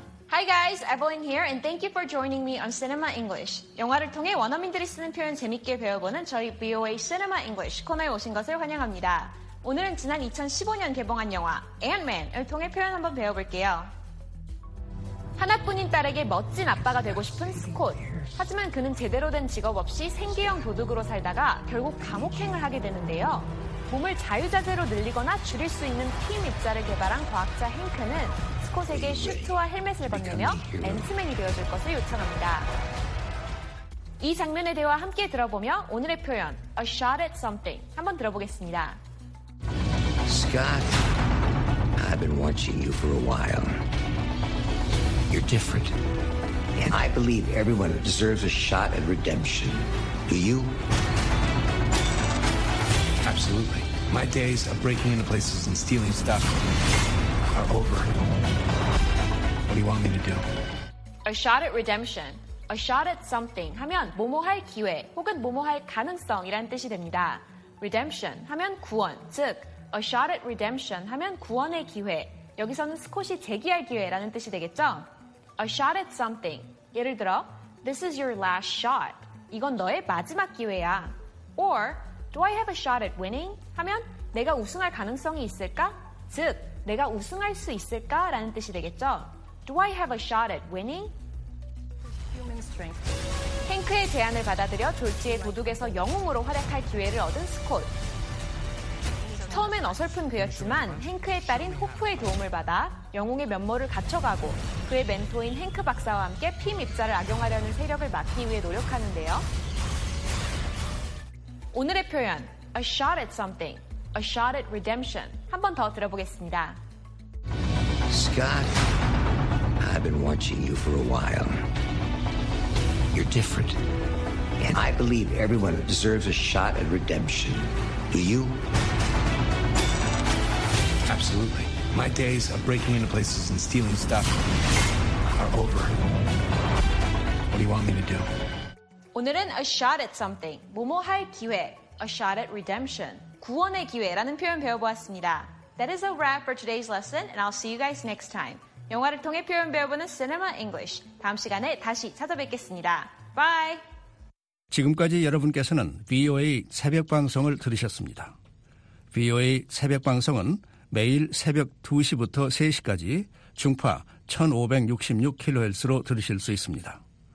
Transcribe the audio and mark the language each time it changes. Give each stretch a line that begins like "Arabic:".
English: Hi guys, Evelyn here and thank you for joining me on Cinema English.
Korean: 영화를 통해 원어민들이 쓰는 표현 재밌게 배워보는 저희 BOA Cinema English 코너에 오신 것을 환영합니다. 오늘은 지난 2015년 개봉한 영화 Ant-Man을 통해 표현 한번 배워볼게요. 하나뿐인 딸에게 멋진 아빠가 되고 싶은 스콧. 하지만 그는 제대로 된 직업 없이 생계형 도둑으로 살다가 결국 감옥행을 하게 되는데요. 몸을 자유자재로 늘리거나 줄일 수 있는 핌 입자를 개발한 과학자 헹크는 스콧에게 슈트와 헬멧을 건네며 앤트맨이 되어줄 것을 요청합니다. 이 장면의 대화 함께 들어보며 오늘의 표현
English: A shot at something
Korean: 한번 들어보겠습니다.
English: Scott, I've been watching you for a while. You're different. And I believe everyone deserves a shot at redemption. Do you? Absolutely. My days of breaking into places and stealing stuff are over. What do you want me to do? A shot at redemption. A shot at something
Korean: 하면 뭐뭐할 기회 혹은 뭐뭐할 가능성이라는 뜻이 됩니다. Redemption 하면 구원, 즉
English: A shot at redemption
Korean: 하면 구원의 기회. 여기서는 스콧이 재기할 기회라는 뜻이 되겠죠?
English: A shot at something. 예를 들어, This is your last shot.
Korean: 이건 너의 마지막 기회야.
English: Or, Do I have a shot at winning?
Korean: 하면 내가 우승할 가능성이 있을까? 즉, 내가 우승할 수 있을까? 라는 뜻이 되겠죠?
English: Do I have a shot at winning? Human strength.
Korean: 헹크의 제안을 받아들여 졸지의 도둑에서 영웅으로 활약할 기회를 얻은 스콧. 처음엔 어설픈 그였지만 헹크의 딸인 호프의 도움을 받아 영웅의 면모를 갖춰가고 그의 멘토인 헹크 박사와 함께 핌 입자를 악용하려는 세력을 막기 위해 노력하는데요. 오늘의 표현,
English: a shot at something, a shot at redemption.
Korean: 한 번 더 들어보겠습니다.
English: Scott, I've been watching you for a while. You're different. And I believe everyone deserves a shot at redemption. Do you? Absolutely. My days of breaking into places and stealing stuff are over. What do you want me to do?
Korean: 오늘은
English: a shot at something,
Korean: 뭐뭐할 기회,
English: a shot at redemption,
Korean: 구원의 기회라는 표현 배워보았습니다.
English: That is a wrap for today's lesson, and I'll see you guys next time.
Korean: 영화를 통해 표현 배워보는 Cinema English. 다음 시간에 다시 찾아뵙겠습니다. Bye! 지금까지 여러분께서는 VOA 새벽 방송을 들으셨습니다. VOA 새벽 방송은 매일 새벽 2시부터 3시까지 중파 1566kHz로 들으실 수 있습니다.